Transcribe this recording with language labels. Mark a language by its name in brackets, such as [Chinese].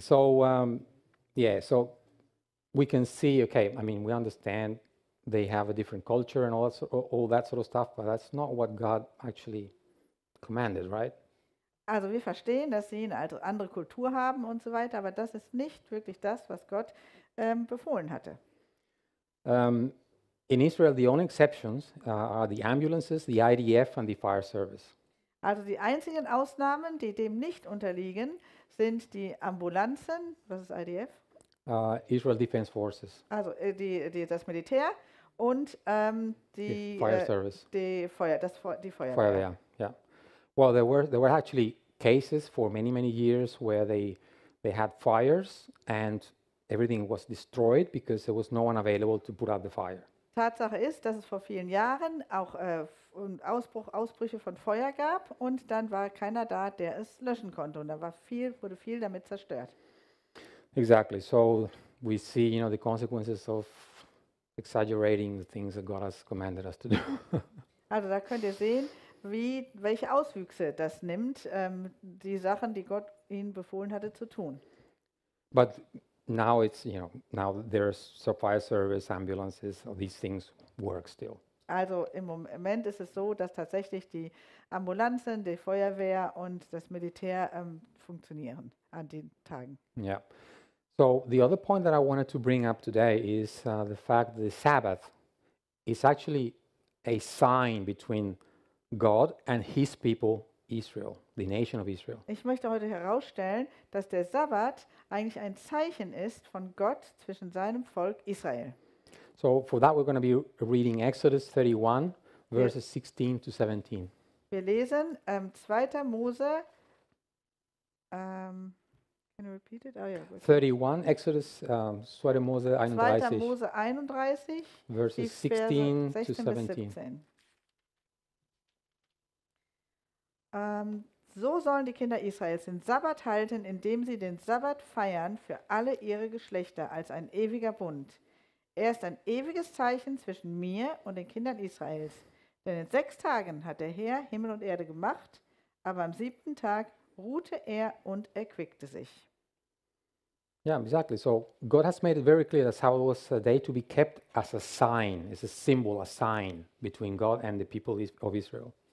[English] So yeah, so we can see, okay, I mean, we understand they have a different culture and all that sort of stuff, but that's not what God actually commanded, right? [German] Also wir verstehen, dass sie eine andere Kultur haben und so weiter, aber das ist nicht wirklich das, was Gott befohlen hatte. [English] In Israel, the only exceptions are the ambulances, the IDF and the fire service. [German] Also die einzigen Ausnahmen, die dem nicht unterliegen, sind die Ambulanzen, was ist IDF? [English] Israel Defense Forces. [German] Also das Militär und die [English] Fire Service. [German] Die Feuerwehr. [English] Yeah. Well, there were actually cases for many, many years where they had fires and everything was destroyed because there was no one available to put out the fire. [German] Tatsache ist, dass es vor vielen Jahren auch Ausbrüche von Feuer gab und dann war keiner da, der es löschen konnte und da wurde viel damit zerstört. [English] Exactly. So we see, you know, the consequences of exaggerating the things that God has commanded us to do. [German] Also da könnt ihr sehen, welche Auswüchse das nimmt, die Sachen, die Gott ihnen befohlen hatte zu tun. [English] But now it's, you know, now there's fire service, ambulances, all these things work still. [German] Also im Moment ist es so, dass tatsächlich die Ambulanzen, die Feuerwehr und das Militär funktionieren an den Tagen. [English] Yeah. So the other point that I wanted to bring up today is the fact that the Sabbath is actually a sign between God and his people Israel, the nation of Israel. [German] Ich möchte heute herausstellen, dass der Sabbat eigentlich ein Zeichen ist von Gott zwischen seinem Volk Israel. [English] So for that we're going to be reading Exodus 31 verses 16 to 17. [German] Wir lesen 2. Mose [English] can you repeat it? Oh yeah. [German] 31 Exodus 2. Mose 31. 2. Mose 31 [English] verses 16 to 17. [German] So sollen die Kinder Israels den Sabbat halten, indem sie den Sabbat feiern für alle ihre Geschlechter als ein ewiger Bund. Er ist ein ewiges Zeichen zwischen mir und den Kindern Israels. Denn in 6 Tagen hat der Herr Himmel und Erde gemacht, aber am 7. Tag ruhte er und erquickte sich. [English] Yeah, exactly. So God has made it very clear that Sabbath was a day to be kept as a sign, as a symbol, a sign between God and the people of Israel.